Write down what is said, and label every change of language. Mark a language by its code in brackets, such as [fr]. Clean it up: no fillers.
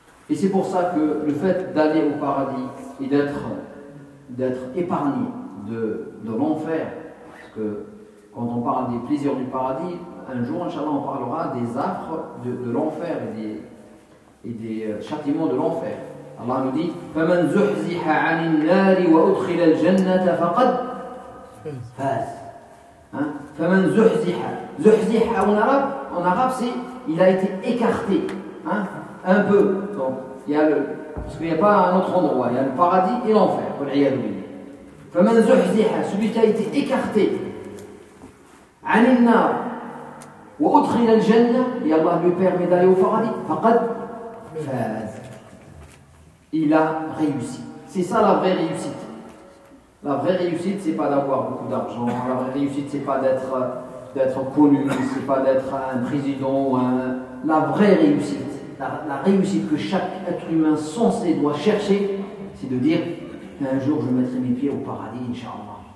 [fr] Et c'est pour ça que le fait d'aller au paradis et d'être épargné de l'enfer, parce que quand on parle des plaisirs du paradis, un jour, Inch'Allah, on parlera des affres de l'enfer et des châtiments de l'enfer. Allah nous dit [ar] فَمَنْ زُحْزِحَ عَنِ النَّارِ وَأُدْخِلَ الْجَنَّةَ فَقَدْ فَاز. فَمَنْ زُحْزِحَ. زُحْزِحَ [fr] en arabe, c'est il a été écarté, hein, un peu. Donc, parce qu'il n'y a pas un autre endroit, il y a le paradis et l'enfer. [ar] فَمَنْ زُحْزِحَ. [fr] Celui qui a été écarté. [ar] عن النار وأدخل الجنة يا الله يبرم داري وفرادي فقد فاز. [fr] Il a réussi. C'est ça la vraie réussite. La vraie réussite, c'est pas d'avoir beaucoup d'argent. La vraie réussite, c'est pas d'être connu. C'est pas d'être un président. La vraie réussite, la réussite que chaque être humain censé doit chercher, c'est de dire un jour je mettrai mes pieds au paradis, inshallah.